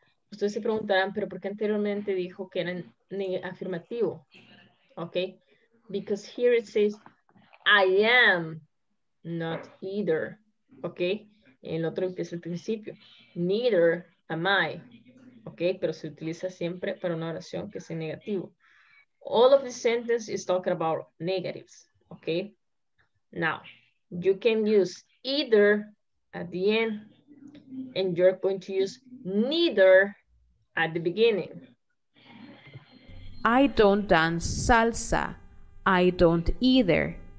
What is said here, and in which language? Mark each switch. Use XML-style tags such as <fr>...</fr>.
<es>Ustedes se preguntarán, pero ¿por qué anteriormente dijo que era afirmativo?</es> <en>Okay. Because here it says, I am not either.</en> <es>Okay. En el otro empieza el principio.</es> <en>Neither am I.</en> <es>Okay. Pero se utiliza siempre para una oración que sea negativo.</es> <en>All of the sentence is talking about negatives, okay? Now, you can use either at the end, and you're going to use neither at the beginning. I don't dance salsa. I don't either.</en>